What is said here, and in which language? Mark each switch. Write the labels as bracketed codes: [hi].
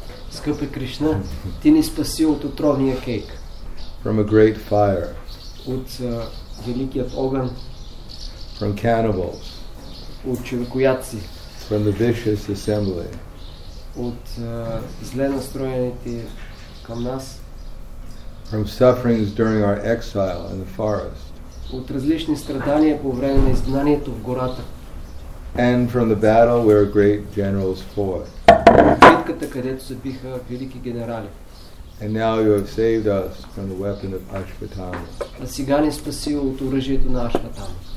[bg] Скъпи Кришна, ти ни спаси от отровния кейк. [en] From a great fire. [bg] От великият огън. [en] From cannibals. [bg] От човекояци. [en] From the vicious assembly. [bg] От зле настроените към нас. [en] From sufferings during our exile in the forest. [bg] От различни страдания по време на изгнанието в гората. [en] And from the battle where great generals fought. [bg] Битката, където се биха велики генерали. [en] And now you have saved us from the weapon of Ashvatthama. [bg] А сега ни спаси от оръжието на Ашватама.